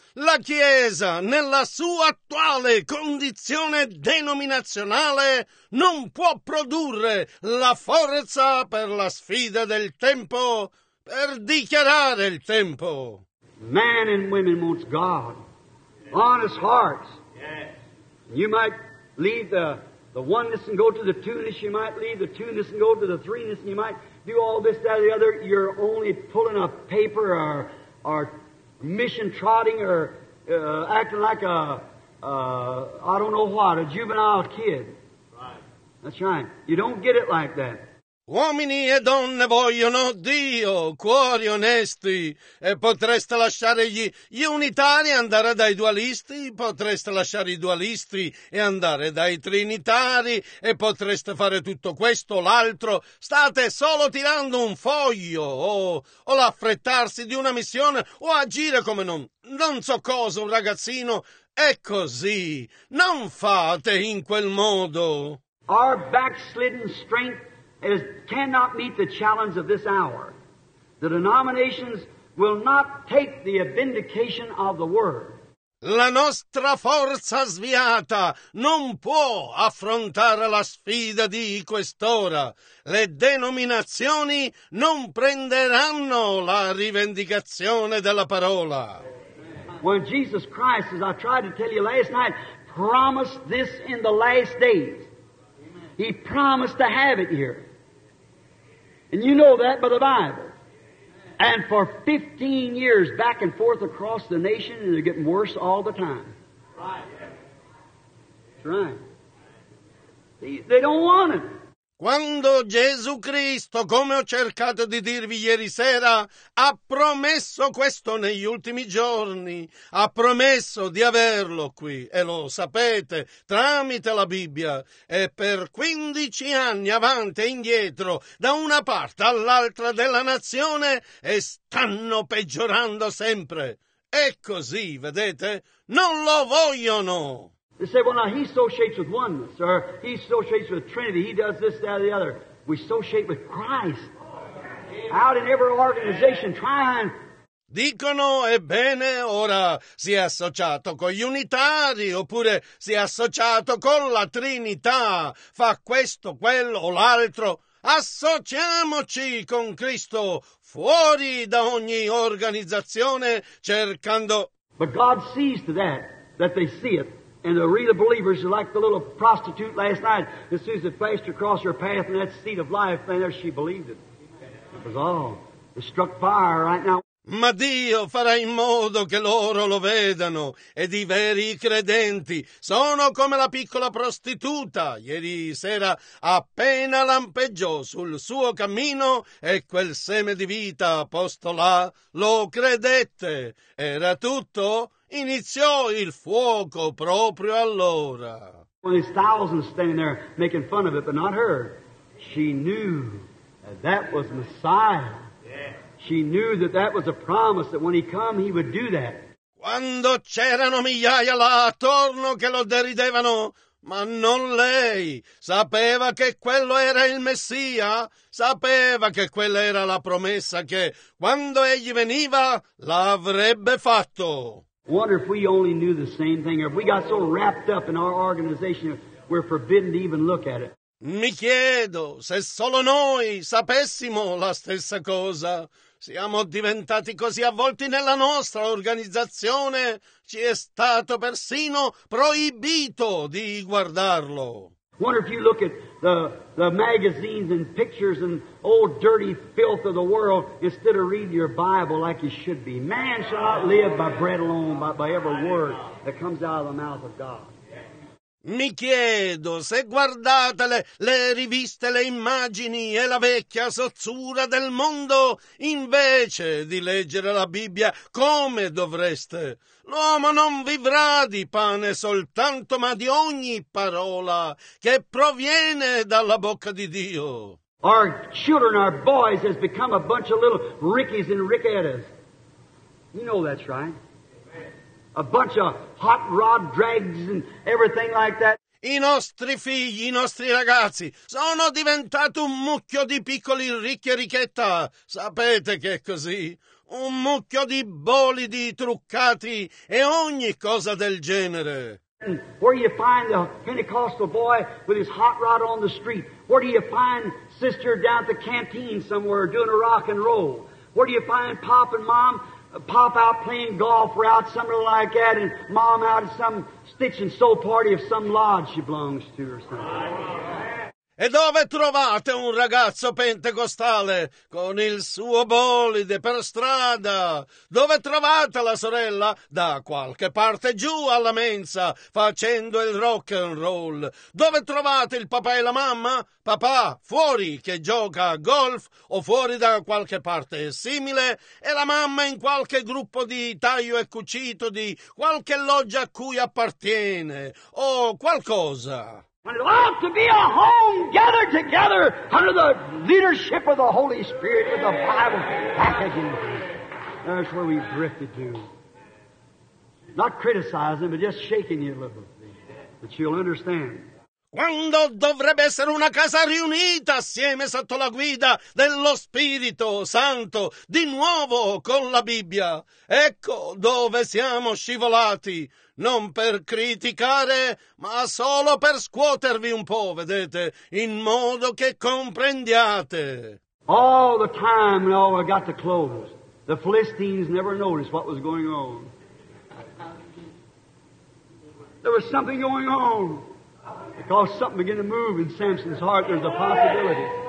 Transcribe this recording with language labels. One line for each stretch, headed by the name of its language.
Italian: La Chiesa, nella sua attuale condizione denominazionale, non può produrre la forza per la sfida del tempo, per dichiarare il tempo.
English: Man and women wants God. Honest hearts. Yes. You might leave the oneness and go to the two-ness. You might leave the two-ness and go to the three-ness. You might do all this, that, or the other. You're only pulling a paper or mission trotting or acting like I don't know what, a juvenile kid. Right. That's right. You don't get it like that.
Italian: Uomini e donne vogliono Dio, cuori onesti, e potreste lasciare gli unitari e andare dai dualisti, potreste lasciare i dualisti e andare dai trinitari, e potreste fare tutto questo o l'altro. State solo tirando un foglio, o l'affrettarsi di una missione, o agire come non so cosa, un ragazzino. È così, non fate in quel modo.
English: Our backslidden strength cannot meet the challenge of this hour. The denominations will not take the vindication of the word.
Italian: La nostra forza sviata non può affrontare la sfida di quest'ora. Le denominazioni non prenderanno la rivendicazione della parola.
English: When Jesus Christ, as I tried to tell you last night, promised this in the last days. He promised to have it here. And you know that by the Bible. And for 15 years back and forth across the nation, and they're getting worse all the time. Right. That's right. They don't want it.
Italian: Quando Gesù Cristo, come ho cercato di dirvi ieri sera, ha promesso questo negli ultimi giorni, ha promesso di averlo qui, e lo sapete, tramite la Bibbia, e per 15 anni avanti e indietro, da una parte all'altra della nazione, e stanno peggiorando sempre. E così, vedete, non lo vogliono!
English: They say, well, now he associates with oneness, or he associates with Trinity, he does this, that, or the other. We associate with Christ. Amen. Out in every organization, trying.
Italian: Dicono, ebbene, ora si è associato con gli unitari, oppure si è associato con la Trinità, fa questo, quello o l'altro. Associamoci con Cristo, fuori da ogni organizzazione, cercando.
English: But God sees to that, that they see it. And the real believers are like the little prostitute last night. As soon as it flashed across her path in that seat of life, then there she believed it. It was all. It struck fire right now.
Italian: Ma Dio farà in modo che loro lo vedano, ed i veri credenti sono come la piccola prostituta. Ieri sera appena lampeggiò sul suo cammino e quel seme di vita posto là, lo credette. Era tutto. Iniziò il fuoco proprio allora.
English: When there's thousands standing there making fun of it, but not her. She knew that that was Messiah. Yeah. She knew that that was a promise that when he come, he would do that.
Italian: Quando c'erano migliaia là attorno che lo deridevano, ma non lei, sapeva che quello era il Messia, sapeva che quella era la promessa che quando egli veniva l'avrebbe fatto.
English: Wonder if we only knew the same thing, or if we got so wrapped up in our organization, we're forbidden to even look at it.
Italian: Mi chiedo se solo noi sapessimo la stessa cosa. Siamo diventati così avvolti nella nostra organizzazione, ci è stato persino proibito di guardarlo.
English: Wonder if you look at the magazines and pictures and old dirty filth of the world instead of reading your Bible like you should be. Man shall not live by bread alone, but by every word that comes out of the mouth of God.
Italian: Mi chiedo se guardate le riviste, le immagini e la vecchia sozzura del mondo invece di leggere la Bibbia come dovreste. L'uomo non vivrà di pane soltanto, ma di ogni parola che proviene dalla bocca di Dio.
English: Our children, our boys has become a bunch of little Rickies and Rickettas. You know that's right. A bunch of hot rod dregs and everything like that.
Italian: I nostri figli, i nostri ragazzi, sono diventati un mucchio di piccoli ricchi e ricchetta. Sapete che è così? Un mucchio di bolidi truccati e ogni cosa del genere.
English: And where do you find the Pentecostal boy with his hot rod on the street? Where do you find sister down at the canteen somewhere doing a rock and roll? Where do you find pop and mom? Pop out playing golf or out somewhere like that, and mom out at some stitch and sew party of some lodge she belongs to or something.
Italian: E dove trovate un ragazzo pentecostale con il suo bolide per strada? Dove trovate la sorella da qualche parte giù alla mensa facendo il rock and roll? Dove trovate il papà e la mamma? Papà fuori che gioca a golf o fuori da qualche parte simile e la mamma in qualche gruppo di taglio e cucito di qualche loggia a cui appartiene o qualcosa.
English: When it ought to be a home gathered together under the leadership of the Holy Spirit with the Bible back again. That's where we drifted to. Not criticizing, but just shaking you a little bit. But you'll understand.
Italian: Quando dovrebbe essere una casa riunita assieme sotto la guida dello Spirito Santo, di nuovo con la Bibbia. Ecco dove siamo scivolati. Non per criticare, ma solo per scuotervi un po', vedete, in modo che comprendiate.
English: All the time, and all I got the clothes. The Philistines never noticed what was going on. There was something going on. Because something began to move in Samson's heart, there's a possibility.